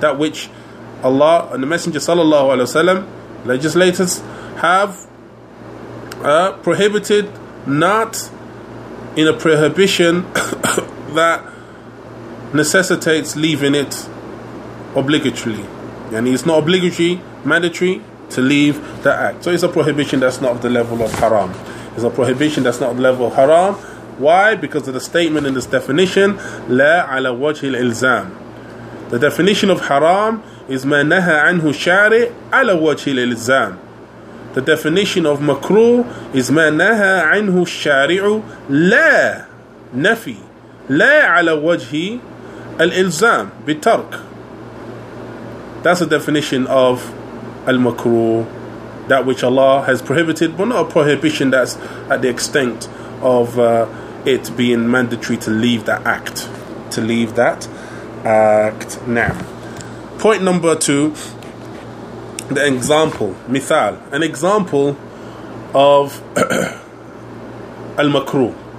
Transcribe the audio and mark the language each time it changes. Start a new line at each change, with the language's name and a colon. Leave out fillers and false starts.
English: That which Allah and the Messenger sallallahu alayhi wa sallam, legislators, have prohibited, not in a prohibition that necessitates leaving it obligatorily. Yani, it's not obligatory, mandatory to leave that act. So it's a prohibition that's not of the level of haram. It's a prohibition that's not of the level of haram. Why? Because of the statement in this definition,
Arabic: لا على وجه الإلزام.
English: The definition of haram is
Arabic: ما نهى عنه الشارع على وجه الإلزام.
English: The definition of makruh is
Arabic: ما نهى عنه الشارع لا نفي لا على وجه الإلزام بترك.
English: That's the definition of al-makruh, that which Allah has prohibited, but not a prohibition that's at the extent of it being mandatory to leave that act. To leave that act. Now, point number two, the example, mithal, an example of al-makruh.